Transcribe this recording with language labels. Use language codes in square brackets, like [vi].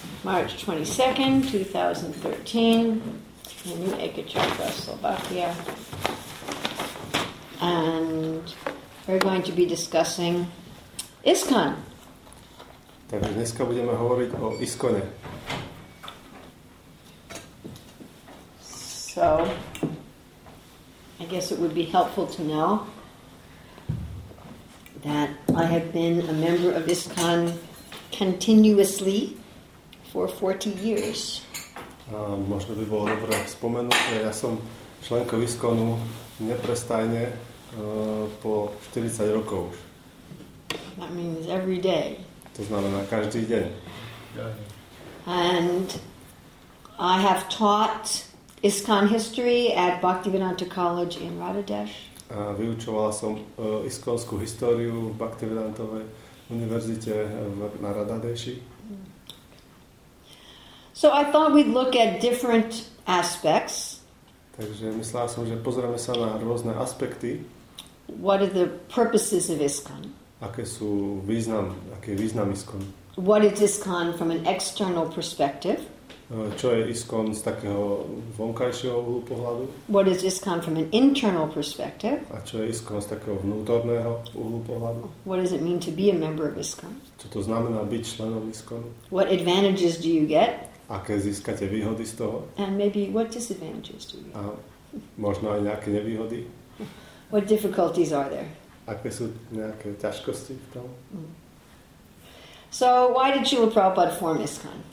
[en] March 22nd, 2013, in New Ekachaka, Slovakia. And we're going to be discussing ISKCON. [sk] Takže dneska budeme hovoriť o ISKCONe. [en] So, I guess it would be helpful to know that I have been a member of ISKCON continuously for 40 years. [sk] Možno by bolo dobré spomenúť, že ja som členkou ISKCONu neprestajne po 40 rokov už. [en] That means every day. [sk] To znamená každý deň. [en] And I have taught ISKCON history at Bhaktivedanta College in Radadesh. [sk] A vyučoval som ISKCONskú históriu v Bhaktivedantovej univerzite na Radadeši. [en] So I thought we'd look at different aspects. [sk] Takže myslel som, že pozrieme sa na rôzne aspekty. [en] What are the purposes of ISKCON? [sk] Aké sú význam, aké je význam ISKCON? [en] What is ISKCON from an external perspective? [sk] Čo je ISKCON z takého vonkajšieho uhlu pohľadu? [en] What is ISKCON from an internal perspective? [sk] A čo je ISKCON z takého vnútorného uhlu pohľadu? [en] What does it mean to be a member of ISKCON? [sk] Čo to znamená byť členom ISKCON? [en] What advantages do you get? [sk] Aké získate výhody z toho? [en] And maybe what disadvantages do you get? [sk] A možno aj nejaké nevýhody? [en] What difficulties are there? [sk] Aké sú nejaké ťažkosti v tom? [en] So why did Srila Prabhupada form ISKCON?